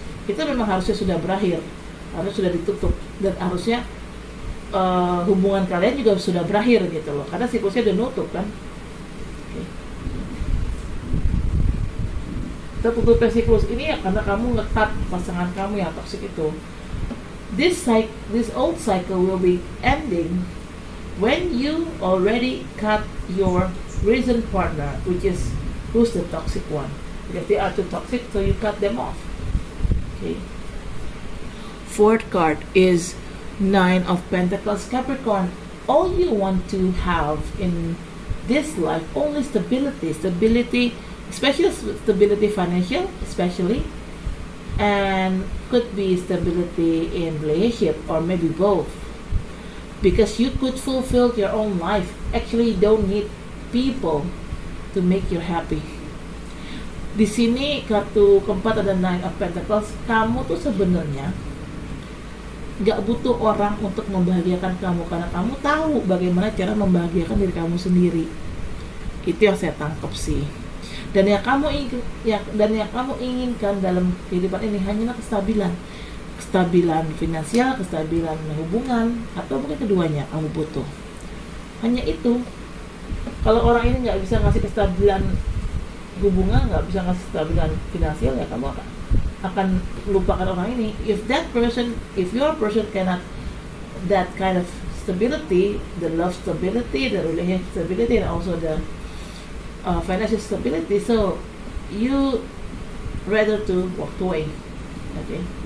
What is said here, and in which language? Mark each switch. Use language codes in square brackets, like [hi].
[id] Itu memang harusnya sudah berakhir, harus sudah ditutup, dan harusnya hubungan kalian juga sudah berakhir gitu loh, karena siklusnya udah nutup kan. Tertutup siklus ini ya karena kamu ngetat pasangan kamu yang toxic itu. [en] This old cycle will be ending when you already cut your recent partner, who's the toxic one. Because they are too toxic, so you cut them off. Okay. Fourth card is Nine of Pentacles. Capricorn, all you want to have in this life, only stability, especially stability financial, especially, and could be stability in relationship or maybe both, because you could fulfill your own life. Actually, you don't need people to make you happy. [id] Di sini kartu keempat ada Nine of Pentacles. Kamu tuh sebenarnya gak butuh orang untuk membahagiakan kamu, karena kamu tahu bagaimana cara membahagiakan diri kamu sendiri. Itu yang saya tangkap sih. Dan yang kamu ingin, yang kamu inginkan dalam kehidupan ini hanyalah kestabilan. Kestabilan finansial, kestabilan hubungan, atau mungkin keduanya kamu butuh. Hanya itu. Kalau orang ini gak bisa ngasih kestabilan hubungan, nggak bisa ngasih stabilan finansial, ya kamu akan lupakan orang ini. [en] If your person cannot that kind of stability, the love stability, the relationship stability, and also the financial stability, so you rather to walk away. Okay.